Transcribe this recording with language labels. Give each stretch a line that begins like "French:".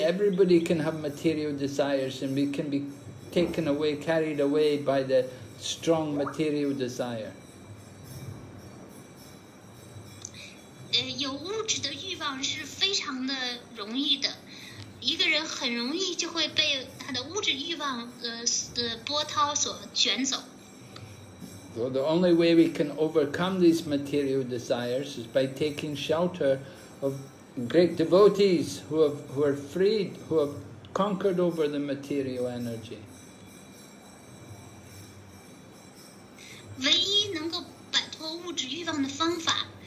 English: Everybody can have material desires, and we can be taken away, carried away by the strong material desire.
Chinese: 有物质的欲望是非常的容易的，一个人很容易就会被他的物质欲望的波涛所卷走。
English: So the only way we can overcome these material desires is by taking shelter of great devotees who are freed, who have conquered over the material energy.
Chinese: 唯一能够摆脱物质欲望的方法